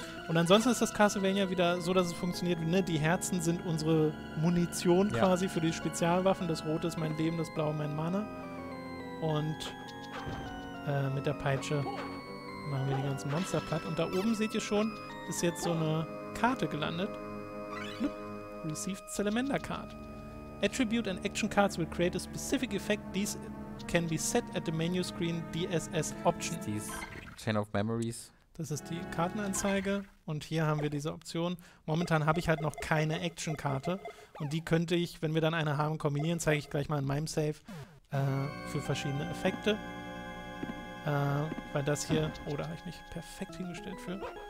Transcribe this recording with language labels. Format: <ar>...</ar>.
<de>Und ansonsten ist das Castlevania wieder so, dass es funktioniert. Ne? Die Herzen sind unsere Munition quasi für die Spezialwaffen. Das Rote ist mein Leben, das Blaue mein Mana. Und mit der Peitsche machen wir die ganzen Monster platt. Und da oben seht ihr schon, ist jetzt so eine Karte gelandet. Blup.</de> <en>Received Salamander Card. Attribute and Action Cards will create a specific effect. These can be set at the menu screen DSS Option.</en> <de>Das ist die Chain of Memories. Das ist die Kartenanzeige und hier haben wir diese Option. Momentan habe ich halt noch keine Action-Karte und die könnte ich, wenn wir dann eine haben, kombinieren, zeige ich gleich mal in meinem Save für verschiedene Effekte. Weil das hier, oh, da habe ich mich perfekt hingestellt für.</de>